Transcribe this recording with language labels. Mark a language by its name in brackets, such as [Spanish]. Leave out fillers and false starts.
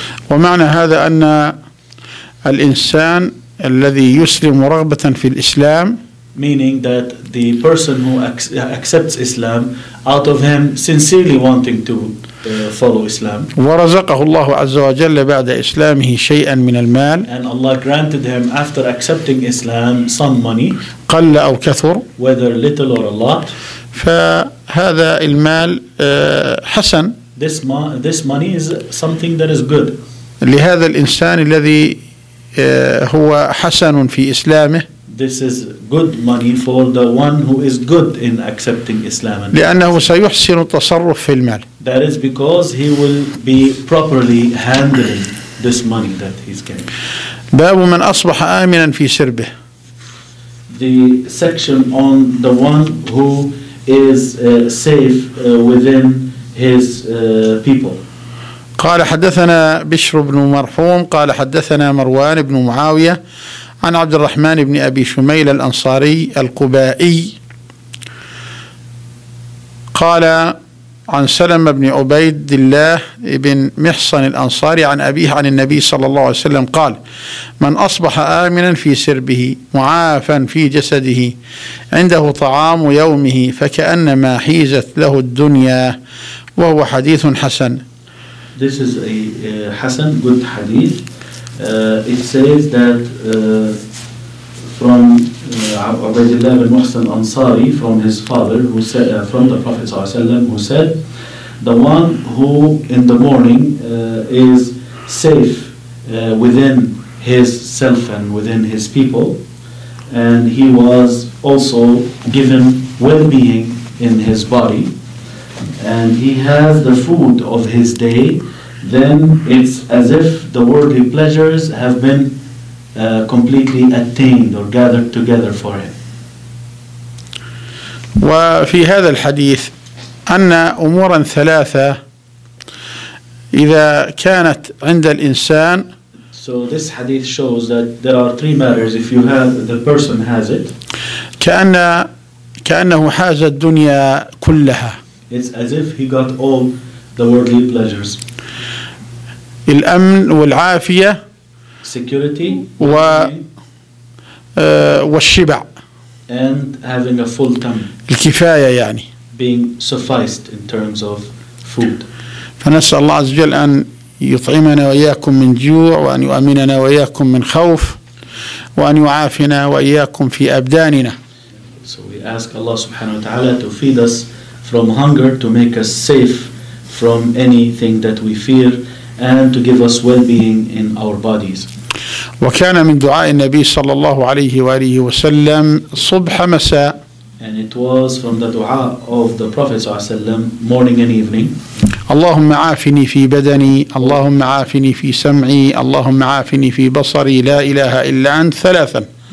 [Arabic] ومعنى هذا أن الإنسان الذي يسلم رغبة في الإسلام. [English] Meaning that the person who accepts Islam out of him sincerely wanting to follow Islam. [Arabic] ورزقه الله عز وجل بعد إسلامه شيئا من المال. [English] And Allah granted him after accepting Islam some money. [Arabic] قل أو كثر. [English] Whether little or a lot. [Arabic] فهذا المال حسن. [English] This money is something that is good. [Arabic] لهذا الإنسان الذي هو حسن في إسلامه. [English] This is good money for the one who is good in accepting Islam. [Arabic] لأنه سيحسن التصرف في المال. [English] That is because he will be properly handling this money that he's getting. [Arabic] باب من أصبح آمنا في سربه. [English] The section on the one who is safe within his people. [Arabic] قال حدثنا بشر بن مرحوم قال حدثنا مروان بن معاوية عن عبد الرحمن بن أبي شميل الأنصاري القبائي قال عن سلم بن عبيد الله بن محصن الأنصاري عن أبيه عن النبي صلى الله عليه وسلم قال من أصبح آمنا في سربه معافا في جسده عنده طعام يومه فكأنما حيزت له الدنيا وهو حديث حسن. [English] This is a حسن good حديث. It says that from Abdullah bin Muhsin Ansari from his father who said from the Prophet [Arabic] صلى الله عليه وسلم [English] who said the one who in the morning is safe within his self and within his people and he was also given well-being in his body. And he has the food of his day, then it's as if the worldly pleasures have been completely attained or gathered together for him. [Arabic] وفي هذا الحديث أن أمورا ثلاثة إذا كانت عند الإنسان. [English] So this hadith shows that there are three matters if you have the person has it. [Arabic] كأنه حاز الدنيا كلها. [English] It's as if he got all the worldly pleasures. [Arabic] الأمن والعافية. [English] Security. [Arabic] والشبع. [English] And having a full tummy. [Arabic] الكفاية يعني. [English] Being sufficed in terms of food. [Arabic] فنسأل الله عز وجل أن يطعمنا وإياكم من جوع وأن يؤمننا وإياكم من خوف وأن يعافنا وإياكم في أبداننا. [English] So we ask Allah subhanahu wa ta'ala to feed us from hunger to make us safe from anything that we fear and to give us well-being in our bodies. [Arabic] وكان من دعاء النبي صلى الله عليه وآله وسلم صبح مساء. [English] And it was from the dua of the Prophet [Arabic] صلى الله عليه وسلم [English] morning and evening. [Arabic] اللهم عافني في بدني، اللهم عافني في سمعي، اللهم عافني في بصري، لا إله إلا أنت ثلاثا.